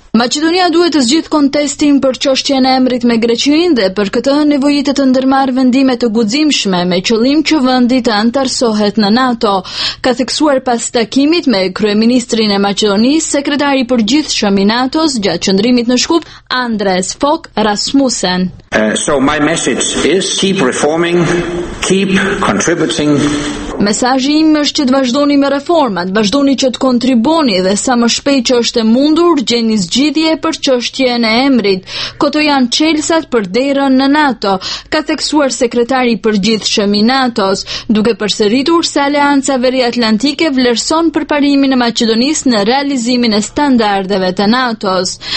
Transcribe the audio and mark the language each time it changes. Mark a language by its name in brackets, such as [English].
[Albanian] Maqedonia duhet të zgjidhë kontestin për çështjen e emrit me Greqinë dhe për këtë nevojitet të ndërmarrë vendime të guximshme me qëllim që vendi të antarësohet në NATO, ka theksuar pas takimit me kryeministrin e Maqedonisë, sekretari i përgjithshëm i NATO-s gjatë qëndrimit në Shkup, Andres Fogu Rasmussen. [English] So my message is keep reforming, keep contributing. [Albanian] Mesazhi im është që të vazhdoni me reformat, vazhdoni që të kontriboni dhe sa më shpejt që është e mundur gjeni zgjidhje për çështjen e emrit. Këto janë çelësat për derën në NATO, ka theksuar sekretari i përgjithshëm i NATO-s, duke përsëritur se Aleanca Veriatlantike vlerëson përparimin e Maqedonisë në realizimin e standardeve të NATO-s.